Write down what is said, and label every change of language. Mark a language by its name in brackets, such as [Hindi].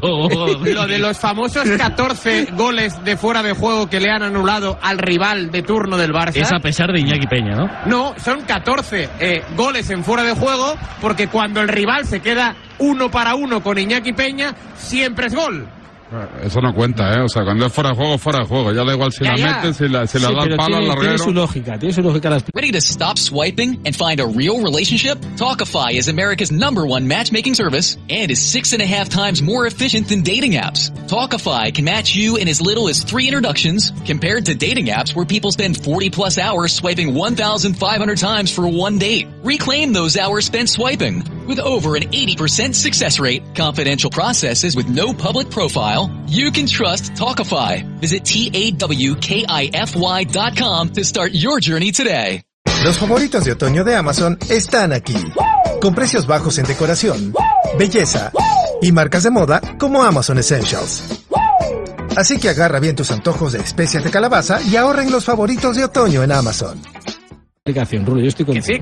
[Spanish] Lo de los famosos 14 goles de fuera de juego que le han anulado al rival de turno del Barça. Es a pesar de Iñaki Peña, ¿no? No, son 14 goles en fuera de juego, porque cuando el rival se queda uno para uno con Iñaki Peña, siempre es gol. Eso no cuenta, ¿eh? O sea, cuando es fuera de juego. Ya da igual si la metes, si la da el palo al larguero. Tiene su lógica. [English] Ready to stop swiping and find a real relationship? Talkify is America's number one matchmaking service and is 6.5 times more efficient than dating apps. Talkify can match you in as little as 3 introductions compared to dating apps where people spend 40-plus hours swiping 1,500 times for one date. Reclaim those hours spent swiping. With over an 80% success rate, confidential processes with no public profile, you can trust Talkify. Visit TAWKIFY.com to start your journey today. [Spanish] Los favoritos de otoño de Amazon están aquí. Con precios bajos en decoración, belleza y marcas de moda como Amazon Essentials. Así que agarra bien tus antojos de especias de calabaza y ahorren los favoritos de otoño en Amazon. Aplicación, Rulo, yo estoy contigo.